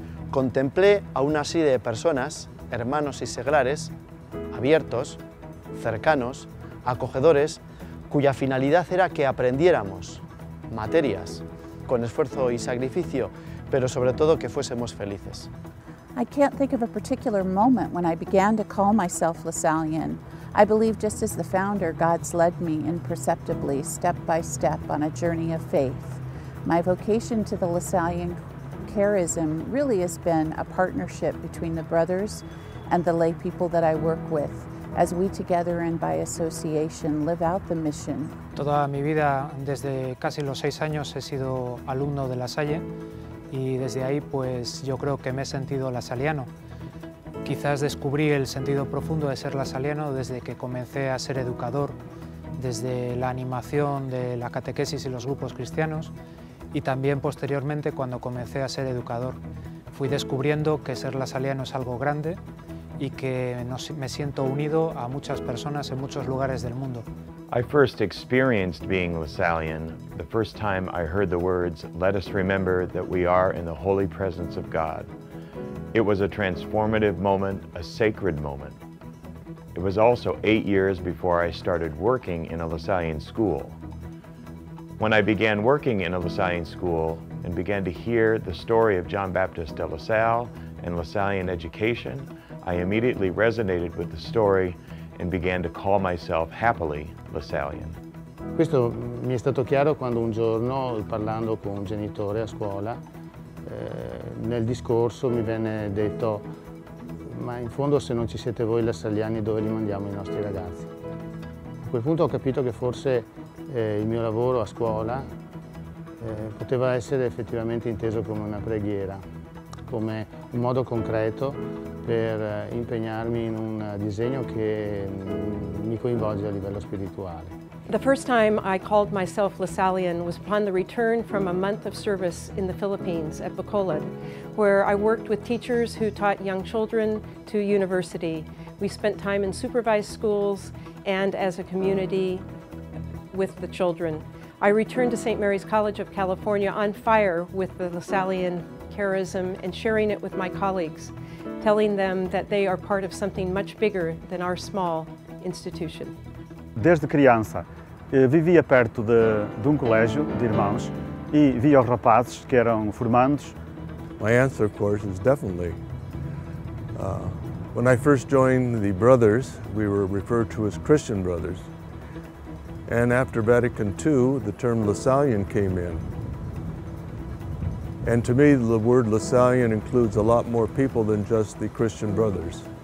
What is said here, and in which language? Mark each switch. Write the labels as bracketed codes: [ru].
[es] Contemplé a una serie de personas, hermanos y seglares, abiertos, cercanos, acogedores, cuya finalidad era que aprendiéramos materias con esfuerzo y sacrificio, pero sobre todo que fuésemos felices. [en] I can't think of a particular moment when I began to call myself Lasallian. I believe just as the founder, God's led me imperceptibly, step by step, on a journey of faith. My vocation to the Lasallian charism really has been a partnership between the brothers and the lay people that I work with, as we together and by association live out the mission. [es] Toda mi vida, desde casi los 6 años, he sido alumno de La Salle, y desde ahí, pues, yo creo que me he sentido lasalliano. Quizás descubrí el sentido profundo de ser lasalliano desde que comencé a ser educador, desde la animación de la catequesis y los grupos cristianos, y también posteriormente cuando comencé a ser educador. Fui descubriendo que ser lasalliano es algo grande y que me siento unido a muchas personas en muchos lugares del mundo. [en] I first experienced being Lasallian the first time I heard the words, "Let us remember that we are in the holy presence of God." It was a transformative moment, a sacred moment. It was also 8 years before I started working in a Lasallian school. When I began working in a Lasallian school and began to hear the story of John Baptist de La Salle and Lasallian education, I immediately resonated with the story and began to call myself happily Lasallian. [it] Questo mi è stato chiaro quando un giorno, parlando con un genitore a scuola, nel discorso mi venne detto: "Ma in fondo, se non ci siete voi lasalliani, dove li mandiamo i nostri ragazzi?" A quel punto ho capito che forse il mio lavoro a scuola poteva essere effettivamente inteso come una preghiera, come un modo concreto per impegnarmi in un disegno che mi coinvolge a livello spirituale. [en] The first time I called myself Lasallian was upon the return from a month of service in the Philippines at Bacolod, where I worked with teachers who taught young children to university. We spent time in supervised schools and as a community with the children. I returned to St. Mary's College of California on fire with the Lasallian charism and sharing it with my colleagues, telling them that they are part of something much bigger than our small institution. [pt] Desde criança, vivia perto de um colégio de irmãos e via os rapazes que eram formandos. [en] My answer, of course, is definitely When I first joined the brothers, we were referred to as Christian brothers. And after Vatican II, the term LaSallian came in. And to me, the word LaSallian includes a lot more people than just the Christian brothers.